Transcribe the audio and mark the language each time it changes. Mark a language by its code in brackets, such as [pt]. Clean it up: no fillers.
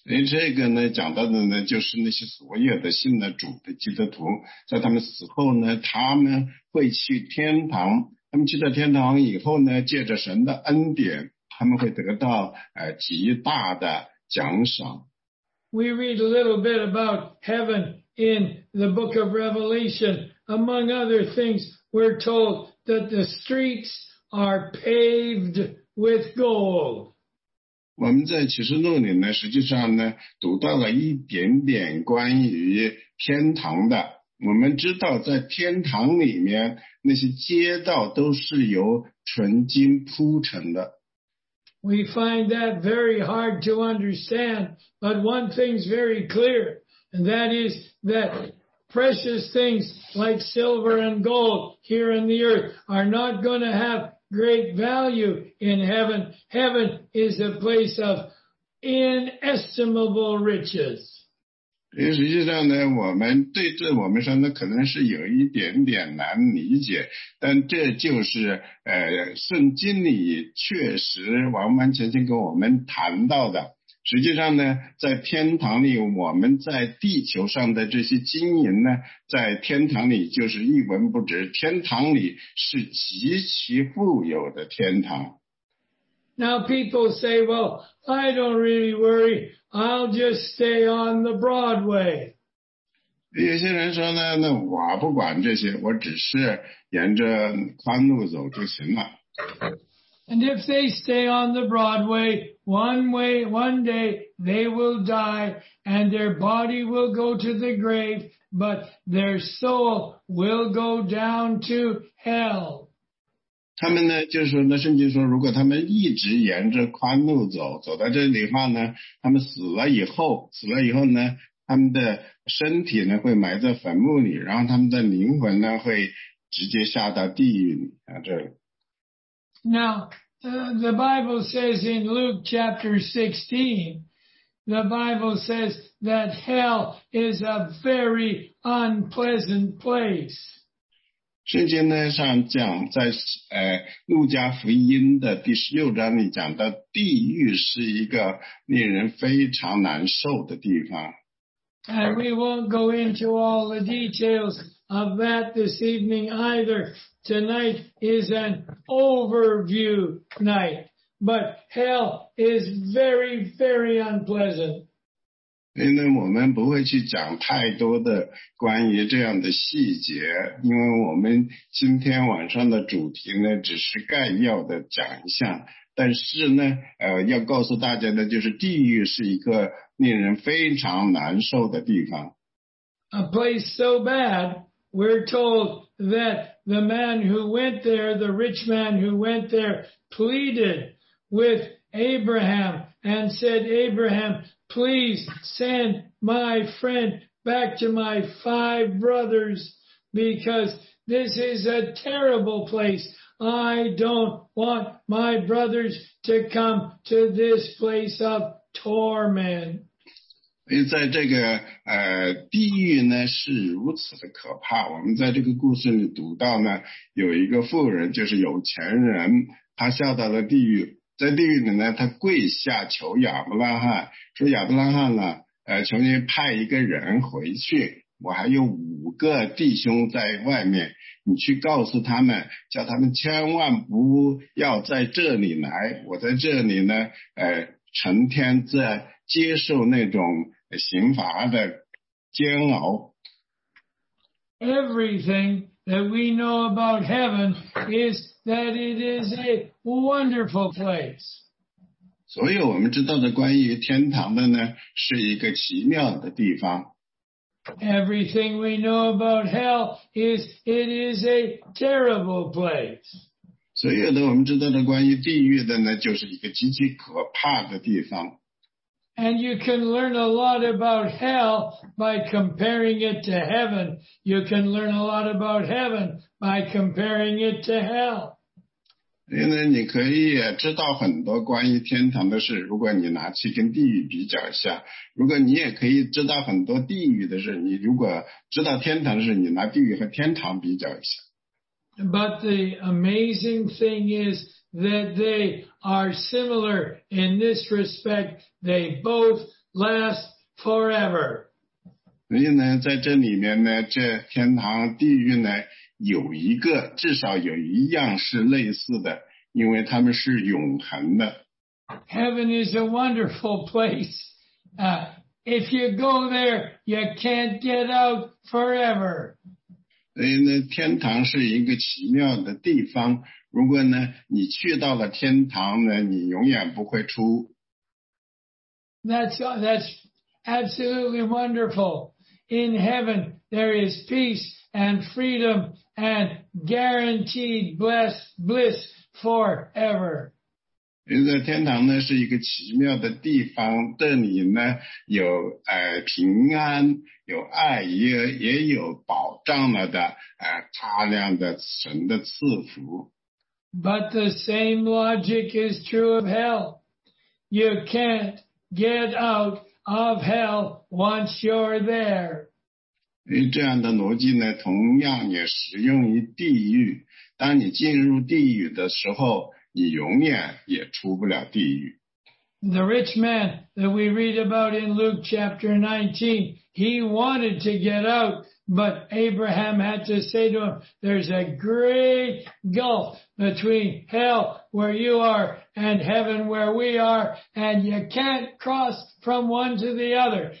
[zh] 这个呢，讲到的呢，就是那些所有的信的主的基督徒，在他们死后呢，他们会去天堂。他们去到天堂以后呢，借着神的恩典，他们会得到极大的奖赏。 [en] We read a little bit about heaven in the book of Revelation, among other things. We're told that the streets are paved with gold. [zh] 我们在启示录里呢，实际上呢，读到了一点点关于天堂的。我们知道，在天堂里面，那些街道都是由纯金铺成的。 [en] We find that very hard to understand, but one thing's very clear, and that is that. Precious things like silver and gold here in the earth are not going to have great value in heaven. Heaven is a place of inestimable riches. [zh] 实际上呢，我们对这我们说呢，可能是有一点点难理解，但这就是圣经里确实完完全全跟我们谈到的。实际上呢，在天堂里，我们在地球上的这些金银呢，在天堂里就是一文不值。天堂里是极其富有的天堂。 [en] Now people say, well, I don't really worry. I'll just stay on the Broadway. [zh] 有些人说呢，那我不管这些，我只是沿着宽路走就行了。 [en] And if they stay on the Broadway, one day they will die and their body will go to the grave, but their soul will go down to hell. [zh] 他们呢，就是那圣经说，如果他们一直沿着宽路走，走到这里的话呢，他们死了以后呢，他们的身体呢会埋在坟墓里，然后他们的灵魂呢会直接下到地狱里啊这里。 [en] Now, the Bible says in Luke chapter 16, the Bible says that hell is a very unpleasant place. [zh] 圣经呢上讲在路加福音的第十六章里讲到地狱是一个令人非常难受的地方。 [en] And we won't go into all the details of that this evening either. Tonight is an overview night. But hell is very, very unpleasant. [zh] 因为我们不会去讲太多的关于这样的细节，因为我们今天晚上的主题呢，只是概要的讲一下。但是呢，要告诉大家的就是地狱是一个令人非常难受的地方。 [en] A place so bad, we're told that the man who went there, the rich man who went there, pleaded with Abraham and said, Abraham, please send my friend back to my five brothers because this is a terrible place. I don't want my brothers to come to this place of torment. [zh] 因为在这个地狱呢是如此的可怕，我们在这个故事里读到呢，有一个富人，就是有钱人，他下到了地狱，在地狱里呢，他跪下求亚伯拉罕，说亚伯拉罕呢，求你派一个人回去，我还有五个弟兄在外面，你去告诉他们，叫他们千万不要在这里来，我在这里呢，成天在接受那种刑罚的煎熬。 [en] Everything that we know about heaven is that it is a wonderful place. [zh] 所有我们知道的关于天堂的呢，是一个奇妙的地方。 [en] Everything we know about hell is it is a terrible place. [zh] 所有的我们知道的关于地狱的呢，就是一个极其可怕的地方。 [en] And you can learn a lot about hell by comparing it to heaven. You can learn a lot about heaven by comparing it to hell. [zh] 因为你可以知道很多关于天堂的事，如果你拿去跟地狱比较一下。如果你也可以知道很多地狱的事，你如果知道天堂的事，你拿地狱和天堂比较一下。 [en] But the amazing thing is,that they are similar in this respect, they both last forever. [zh] 所以呢，在这里面呢，这天堂地狱呢，有一个，至少有一样是类似的，因为他们是永恒的。 [en] Heaven is a wonderful place. If you go there, you can't get out forever. [zh] 所以呢，天堂是一个奇妙的地方。如果呢，你去到了天堂呢，你永远不会出。 [en] That's absolutely wonderful. In heaven, there is peace and freedom and guaranteed bliss forever. [zh] 因为天堂呢是一个奇妙的地方，这里呢有平安，有爱，也有保障了的大量的神的赐福。 [en] But the same logic is true of hell. You can't get out of hell once you're there. [zh] 这样的逻辑呢，同样也适用于地狱。当你进入地狱的时候，你永远也出不了地狱。 [en] The rich man that we read about in Luke chapter 19, he wanted to get out. But Abraham had to say to him, there's a great gulf between hell where you are and heaven where we are, and you can't cross from one to the other.